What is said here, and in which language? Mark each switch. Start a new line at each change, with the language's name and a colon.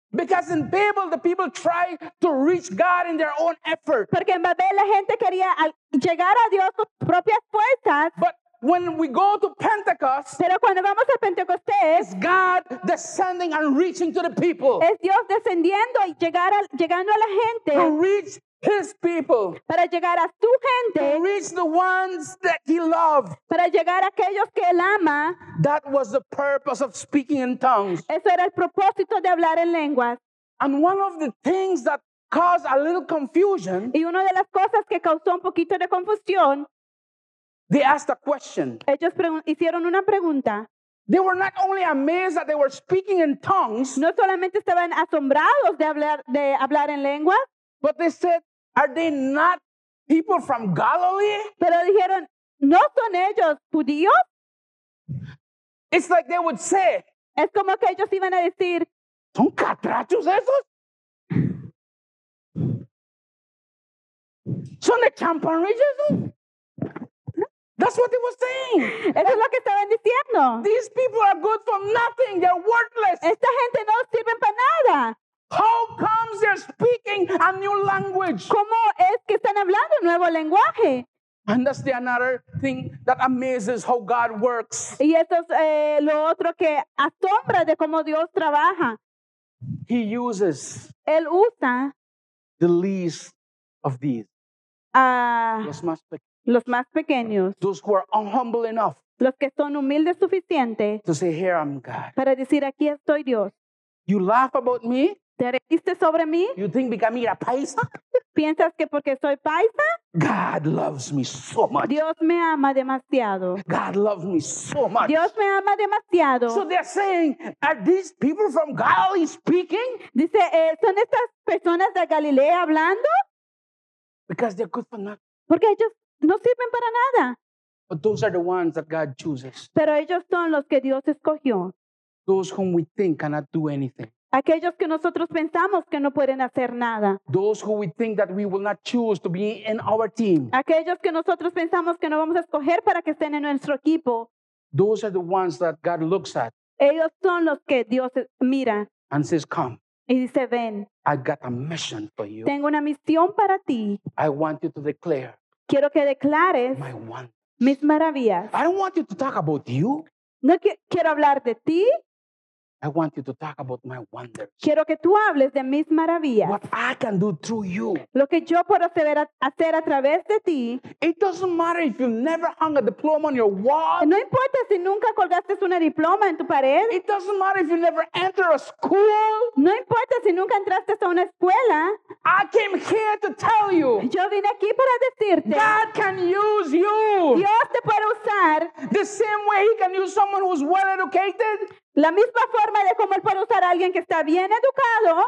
English: Because in Babel, the people try to reach God in their own effort.
Spanish: Porque en Babel la gente quería llegar a Dios con sus propias fuerzas.
English: But when we go to Pentecost,
Spanish: pero cuando vamos a Pentecostés,
English: it's God descending and reaching to the people.
Spanish: Es Dios descendiendo y llegando a la gente.
English: To reach His people.
Spanish: Para llegar a su gente.
English: To reach the ones that He loved.
Spanish: Para llegar a aquellos que Él ama.
English: That was the purpose of speaking in tongues.
Spanish: Eso era el propósito de hablar en lenguas.
English: And one of the things that caused a little confusion.
Spanish: Y una de las cosas que causó un poquito de confusión.
English: They asked a question.
Spanish: Ellos hicieron una pregunta.
English: They were not only amazed that they were speaking in tongues.
Spanish: No solamente estaban asombrados de hablar en lenguas.
English: But they said, "Are they not people from Galilee?"
Spanish: Pero dijeron, ¿no son ellos judíos?
English: It's like they would say,
Spanish: es como que ellos iban a decir, ¿son catrachos esos? ¿Son de champanrillos esos?
English: That's what they were saying.
Spanish: Eso es lo que estaban diciendo.
English: These people are good for nothing. They're worthless.
Spanish: Esta gente no sirven para nada.
English: How comes they're speaking a new language?
Spanish: ¿Cómo es que están hablando nuevo lenguaje?
English: And that's the another thing that amazes how God works.
Spanish: Y esto es lo otro que asombra de cómo Dios trabaja.
English: He uses.
Spanish: Él usa.
English: The least of these.
Spanish: Los más pequeños.
English: Those who are humble enough.
Spanish: Los que son humildes suficiente.
English: To say, here I'm God.
Spanish: Para decir, aquí estoy Dios.
English: You laugh about me.
Spanish: ¿Te reíste sobre mí?
English: You think because I'm a paisa?
Spanish: ¿Piensas que porque soy paisa?
English: God loves me so much.
Spanish: Dios me ama demasiado.
English: God loves me so much.
Spanish: Dios me ama demasiado.
English: So they're saying, are these people from Galilee speaking?
Spanish: Dice, ¿son estas personas de Galilea hablando?
English: Because they're good for nothing.
Spanish: Porque ellos no sirven para nada.
English: But those are the ones that God chooses.
Spanish: Pero ellos son los que Dios escogió.
English: Those whom we think cannot do anything.
Spanish: Aquellos que nosotros pensamos que no pueden hacer nada.
English: Those who we think that we will not choose to be in our team.
Spanish: Aquellos que nosotros pensamos que no vamos a escoger para que estén en nuestro equipo.
English: Those are the ones that God looks at.
Spanish: Ellos son los que Dios mira.
English: And says, come.
Spanish: Y dice, ven.
English: I got a mission for you.
Spanish: Tengo una misión para ti.
English: I want you to declare.
Spanish: Quiero que declares
English: my one.
Spanish: Mis maravillas.
English: I don't want you to talk about you.
Spanish: No quiero hablar de ti.
English: I want you to talk about my wonders.
Spanish: Quiero que tú hables de mis maravillas.
English: What I can do through you.
Spanish: Lo que yo puedo hacer a través de ti.
English: It doesn't matter if you never hung a diploma on your wall.
Spanish: No importa si nunca colgaste una diploma en tu pared.
English: It doesn't matter if you never entered a school.
Spanish: No importa si nunca entraste a una escuela.
English: I came here to tell you.
Spanish: Yo vine aquí para decirte.
English: God can use you.
Spanish: Dios te puede usar.
English: The same way He can use someone who's well educated.
Spanish: La misma forma de cómo él puede usar a alguien que está bien educado.